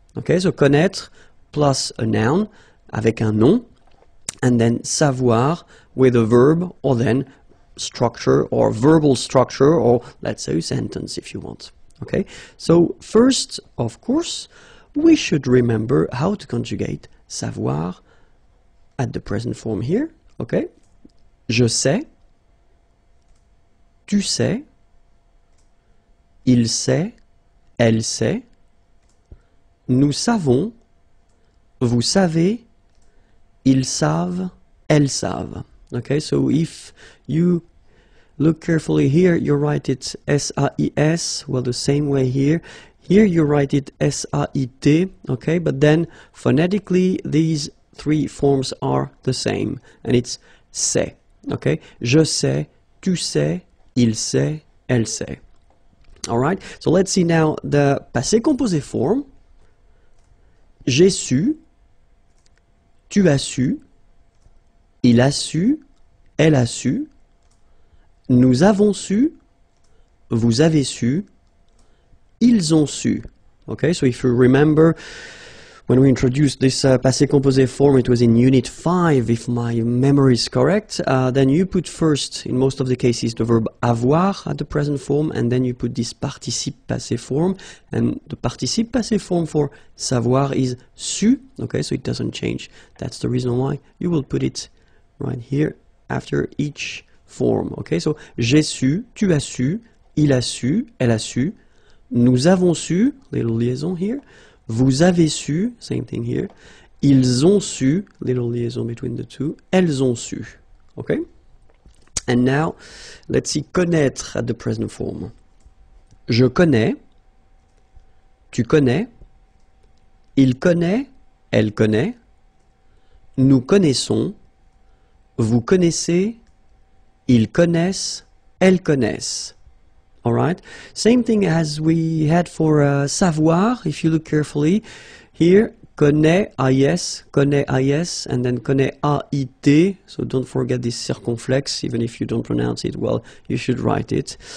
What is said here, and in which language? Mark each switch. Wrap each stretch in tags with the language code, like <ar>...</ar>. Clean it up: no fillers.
<en>Okay, so connaître plus a noun</en> <fr>avec un nom,</fr> <en>and then savoir with a verb, or then structure or verbal structure, or let's say a sentence if you want. Okay, so first, of course, we should remember how to conjugate savoir at the present form here.</en> <fr>Okay, je sais, tu sais, il sait, elle sait. Nous savons, vous savez, ils savent, elles savent.</fr> <en>Okay, so if you look carefully here, you write it S-A-I-S, well, the same way here. Here you write it S-A-I-T, okay, but then phonetically these three forms are the same, and it's sait, okay?</en> <fr>Je sais, tu sais, il sait, elle sait.</fr> <en>All right, so let's see now the passé composé form.</en> <fr>J'ai su, tu as su, il a su, elle a su, nous avons su, vous avez su, ils ont su.</fr> <en>Okay, so if you remember when we introduced this passé composé form, it was in unit 5, if my memory is correct, then you put first, in most of the cases, the verb avoir at the present form, and then you put this participe passé form, and the participe passé form for savoir is su, okay, so it doesn't change. That's the reason why you will put it right here after each form, okay, so</en> <fr>j'ai su, tu as su, il a su, elle a su, nous avons su,</fr> <en>little liaison here,</en> <fr>vous avez su,</fr> <en>same thing here,</en> <fr>ils ont su,</fr> <en>little liaison between the two,</en> <fr>elles ont su,</fr> <en>okay? And now, let's see connaître at the present form.</en> <fr>Je connais, tu connais, il connaît, elle connaît, nous connaissons, vous connaissez, ils connaissent, elles connaissent.</fr> <en>Alright, same thing as we had for savoir, if you look carefully, here, connaît, A-S, connaît, A-S, and then connaît, A-I-T, so don't forget this circumflex, even if you don't pronounce it well, you should write it.</en>